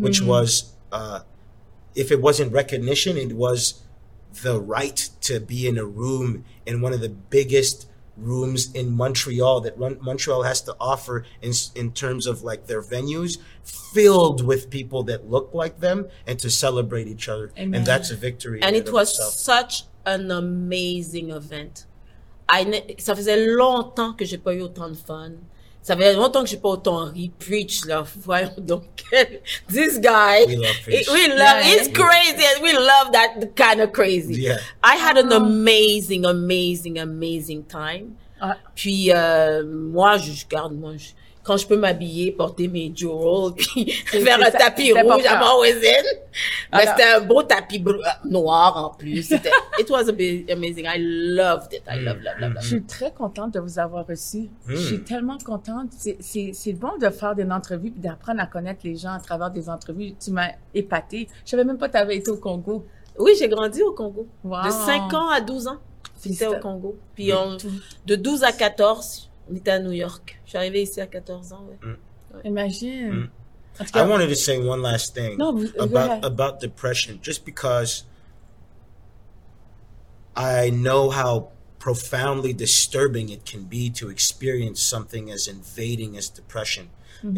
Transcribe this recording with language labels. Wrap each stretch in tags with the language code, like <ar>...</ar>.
<en>which was, if it wasn't recognition, it was the right to be in a room in one of the biggest rooms in Montreal that Montreal has to offer in terms of like their venues filled with people that look like them and to celebrate each other. Amen. And that's a victory. And it was such an amazing event.</en> <fr>Ça faisait longtemps que j'ai pas eu autant de fun. Ça faisait longtemps que j'ai pas autant ri. Preach, là. Voyons donc.</fr> <en>This guy. We love Preach. We love, yeah. He's crazy. And we love that kind of crazy. Yeah. I had an amazing, amazing, amazing time.</en> <fr>Puis, moi, je garde, moi, je, quand je peux m'habiller, porter mes jewels, puis faire un tapis rouge à mon voisin. Mais c'était un beau tapis noir en plus.</fr> <en>It was amazing. I loved it. I love.</en> <fr>Je suis très contente de vous avoir reçu. Mm. Je suis tellement contente. C'est bon de faire des entrevues et d'apprendre à connaître les gens à travers des entrevues. Tu m'as épatée. Je savais même pas que tu avais été au Congo. Oui, j'ai grandi au Congo. Wow. De 5 ans à 12 ans, j'étais au Congo. Puis de 12 à 14, on était à New York. Je suis arrivée ici à 14 ans. Ouais. Mm. Imagine. Mm.</fr> <en>I wanted to say one last thing about depression, just because I know how profoundly disturbing it can be to experience something as invading as depression. Mm-hmm.</en>